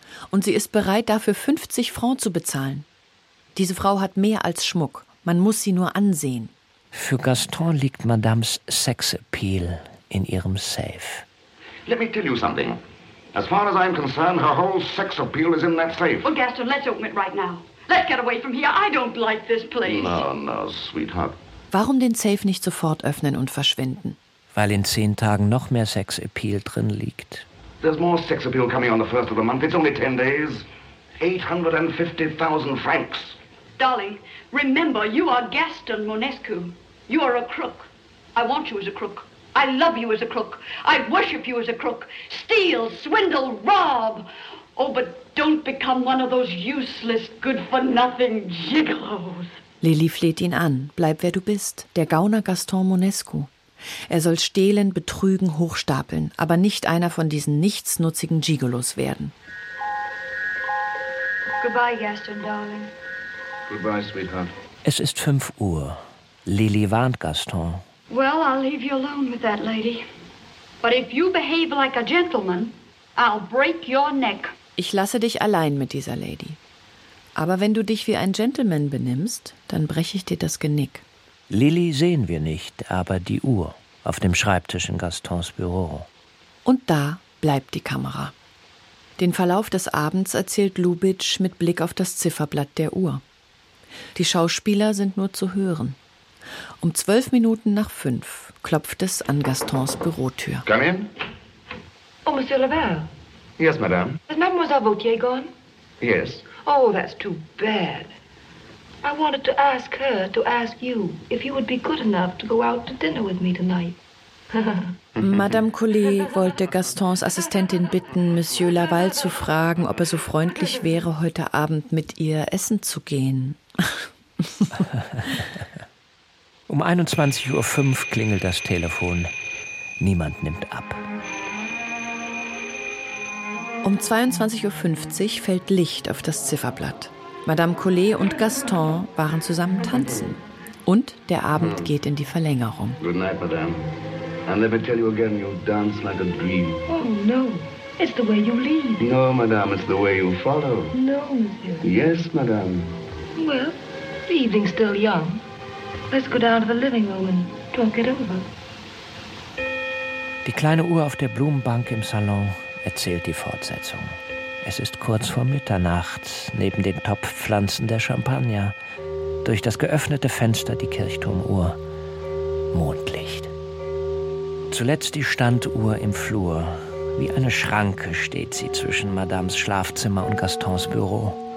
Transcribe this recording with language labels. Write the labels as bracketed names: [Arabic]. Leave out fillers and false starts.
[German] Und sie ist bereit, dafür 50 francs zu bezahlen. Diese Frau hat mehr als Schmuck. Man muss sie nur ansehen. Für Gaston liegt Madames Sexappeal in ihrem Safe. [English] Let me tell you something. As far as I'm concerned, her whole sex appeal is in that safe. Well, Gaston, let's open it right now. Let's get away from here. I don't like this place. No, no, sweetheart. [German] Warum den Safe nicht sofort öffnen und verschwinden? Weil in 10 Tagen noch mehr Sexappeal drin liegt. [English] There's more sex appeal coming on the first of the month. It's only 10 days. 850,000 francs. Darling, remember, you are Gaston Monescu. You are a crook. I want you as a crook. I love you as a crook. I worship you as a crook. Steal, swindle, rob. Oh, but don't become one of those useless, good-for-nothing gigolos. [German] Lilly fleht ihn an. Bleib, wer du bist. Der Gauner Gaston Monescu. Er soll stehlen, betrügen, hochstapeln, aber nicht einer von diesen nichtsnutzigen Gigolos werden. [English] Goodbye, Gaston, darling. Goodbye, sweetheart. [German] Es ist 5 Uhr. Lilly warnt Gaston. [English] Well, I'll leave you alone with that lady. But if you behave like a gentleman, I'll break your neck. [German] Ich lasse dich allein mit dieser Lady. Aber wenn du dich wie ein Gentleman benimmst, dann breche ich dir das Genick. Lilly sehen wir nicht, aber die Uhr auf dem Schreibtisch in Gastons Büro. Und da bleibt die Kamera. Den Verlauf des Abends erzählt Lubitsch mit Blick auf das Zifferblatt der Uhr. Die Schauspieler sind nur zu hören. Um 5:12 klopft es an Gastons Bürotür. [English] Come in. Oh, Monsieur Lavelle. Yes, madame. Is Mademoiselle Vautier gone? Yes. Oh, that's too bad. I wanted to ask her to ask you if you would be good enough to go out to dinner with me tonight. [German] Madame Collet wollte Gastons Assistentin bitten, Monsieur Laval zu fragen, ob er so freundlich wäre, heute Abend mit ihr essen zu gehen. Um 21.05 Uhr klingelt das Telefon. Niemand nimmt ab. Um 22.50 Uhr fällt Licht auf das Zifferblatt. Madame Collet und Gaston waren zusammen tanzen. Und der Abend geht in die Verlängerung. [English] Good night, Madame. I'll never tell you again, you dance like a dream. Oh, no. It's the way you lead. No, madame, it's the way you follow. No, monsieur. Yes, madame. Well, the evening's still young. Let's go down to the living room and talk it over. [German] Die kleine Uhr auf der Blumenbank im Salon erzählt die Fortsetzung. Es ist kurz vor Mitternacht, neben den Topfpflanzen der Champagner. Durch das geöffnete Fenster die Kirchturmuhr. Mondlicht. Zuletzt die Standuhr im Flur. Wie eine Schranke steht sie zwischen Madames Schlafzimmer und Gastons Büro.